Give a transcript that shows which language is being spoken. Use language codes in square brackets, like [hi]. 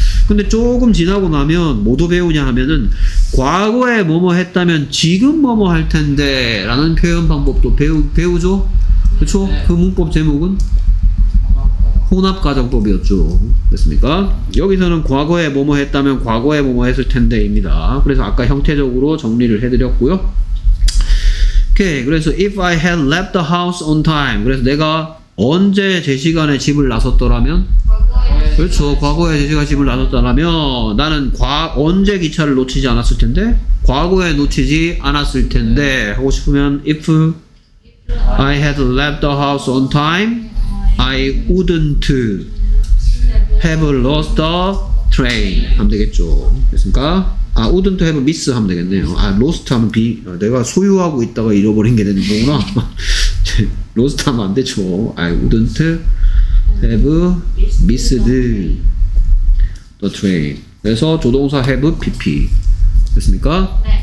[ko] 근데 조금 지나고 나면 뭐도 배우냐 하면은 과거에 뭐뭐 했다면 지금 뭐뭐 할 텐데 라는 표현 방법도 배우죠. 그쵸? 네. 그 문법 제목은 혼합가정법이었죠. 됐습니까? 여기서는 과거에 뭐뭐 했다면 과거에 뭐뭐 했을 텐데 입니다. 그래서 아까 형태적으로 정리를 해드렸고요. 오케이. 그래서 [en] if I had left the house on time. [ko] 그래서 내가 언제 제 시간에 집을 나섰더라면? 과거에. 그렇죠. 과거에 제 시간에 집을 나섰더라면 나는 언제 기차를 놓치지 않았을 텐데? 과거에 놓치지 않았을 텐데. 네. 하고 싶으면 [en] if I had left the house on time, I wouldn't have lost the train. [ko] 하면 되겠죠. 됐습니까? 아, wouldn't have miss 하면 되겠네요. 아, lost 하면 내가 소유하고 있다가 잃어버린 게 되는 거구나. [en] lost [ko] 하면 안 되죠. [en] I wouldn't have missed the train. [ko] 그래서 조동사 have pp. 됐습니까?